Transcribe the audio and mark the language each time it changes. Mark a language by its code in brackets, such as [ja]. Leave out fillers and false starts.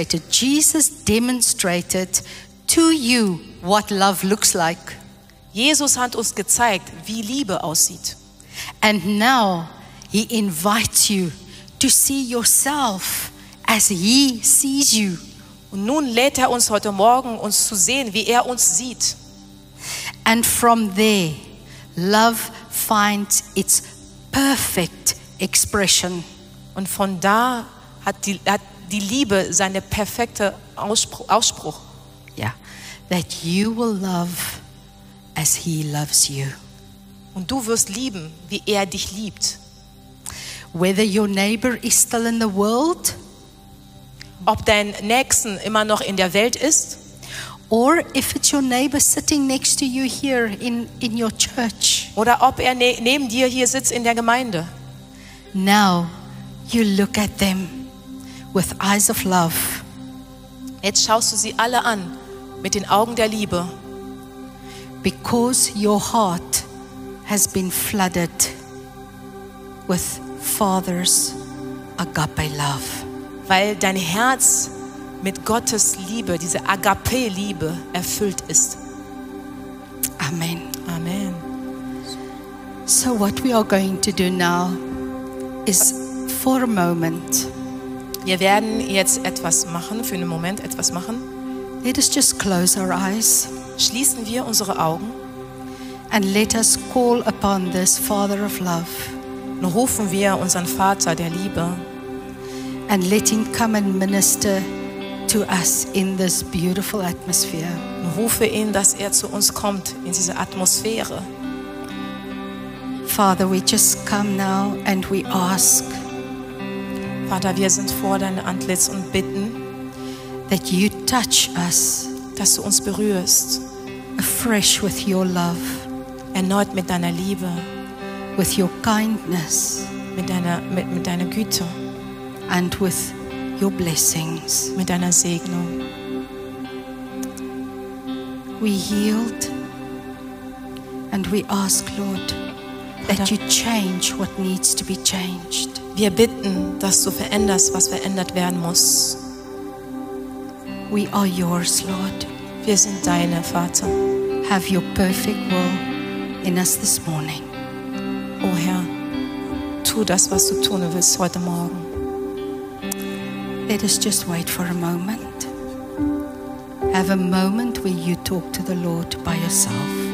[en] Jesus demonstrated to you what love looks like. [de] Jesus hat uns gezeigt, wie Liebe aussieht. [en] And now he invites you to see yourself as he sees you. [de] Und nun lädt er uns heute Morgen, uns zu sehen, wie er uns sieht. [en] And from there, love finds its perfect expression. [de] Und von da hat die Liebe seine perfekte Ausspruch. [en] Yeah. That you will love as he loves you. [de] Und du wirst lieben, wie er dich liebt. [en] Whether your neighbor is still in the world, [de] ob dein Nächsten immer noch in der Welt ist, [en] or if it's your neighbor sitting next to you here in your church, [de] oder ob er neben dir hier sitzt in der Gemeinde. [en] Now you look at them with eyes of love. [de] Jetzt schaust du sie alle an mit den Augen der Liebe. [en] Because your heart has been flooded with Father's agape love. [de] Weil dein Herz mit Gottes Liebe, diese Agape-Liebe, erfüllt ist. [en] Amen. [de] Amen. [en] So what we are going to do now is for a moment. [de] Wir werden jetzt etwas machen, für einen Moment etwas machen. [en] Let us just close our eyes. [de] Schließen wir unsere Augen. [en] And let us call upon this Father of Love. [de] Nun rufen wir unseren Vater der Liebe. [en] And let him come and minister to us in this beautiful atmosphere. [de] Nun rufe ihn, dass er zu uns kommt in diese Atmosphäre. [en] Father, we just come now and we ask. [de] Vater, wir sind vor dein Antlitz und bitten, [en] that you touch us, [de] dass du uns berührst, [en] afresh with your love. [de] Erneut mit deiner Liebe, [en] with your kindness, [de] mit deiner Güte, [en] and with your blessings, [de] mit deiner Segnung. [en] We yield and we ask, Lord, that you change what needs to be changed. [de] Wir bitten, dass du veränderst, was verändert werden muss. [en] We are yours, Lord. [de] Wir sind deine, Vater. [en] Have your perfect will in us this morning. [de] O Herr, tu das, was du tun willst heute Morgen. [en] Let us just wait for a moment. Have a moment where you talk to the Lord by yourself.